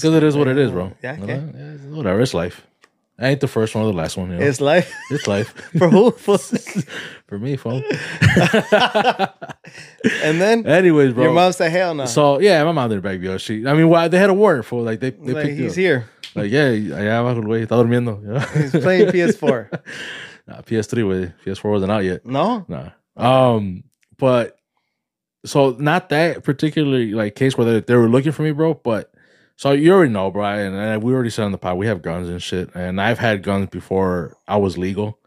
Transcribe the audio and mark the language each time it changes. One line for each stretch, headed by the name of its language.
English: because it is what it is, bro. Yeah, okay. Yeah, whatever. It's life. I ain't the first one or the last one. You know? It's life. It's life. For who? For me, phone. And then, anyways, bro. Your mom said, "Hell no." So yeah, my mom didn't back me up. They had a warrant for like they like, picked he's you up. Here.
Spanish: Like yeah, abajo el güey está durmiendo.
English: He's playing PS4. Nah, PS3 with PS4 wasn't out yet. No. Nah. Okay. But. So not that particularly like case where they were looking for me, bro. But so you already know, bro. And we already said on the pod, we have guns and shit. And I've had guns before I was legal.